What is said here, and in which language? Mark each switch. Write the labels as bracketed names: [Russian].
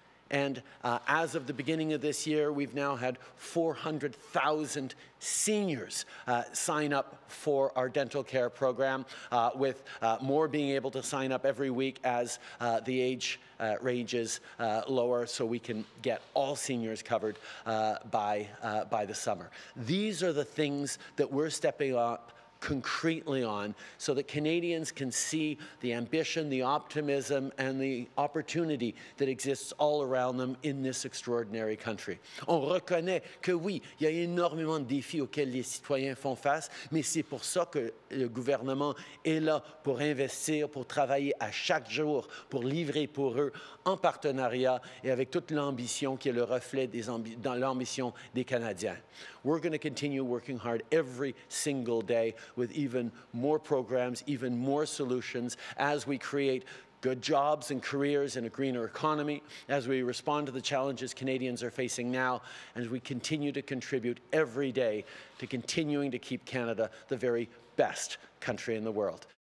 [English] And as of the beginning of this year, we've now had 400,000 seniors sign up for our dental care program, with more being able to sign up every week as the age ranges lower, so we can get all seniors covered by the summer. These are the things that we're stepping up concretely on, so that Canadians can see the ambition, the optimism, and the opportunity that exists all around them in this extraordinary country. [French] On reconnaît que oui, il y a énormément de défis auxquels les citoyens font face, mais c'est pour ça que le gouvernement est là, pour investir, pour travailler à chaque jour, pour livrer pour eux en partenariat et avec toute l'ambition qui est le reflet des dans l'ambition des Canadiens. [English] We're going to continue working hard every single day with even more programs, even more solutions, as we create good jobs and careers in a greener economy, as we respond to the challenges Canadians are facing now, and as we continue to contribute every day to continuing to keep Canada the very best country in the world.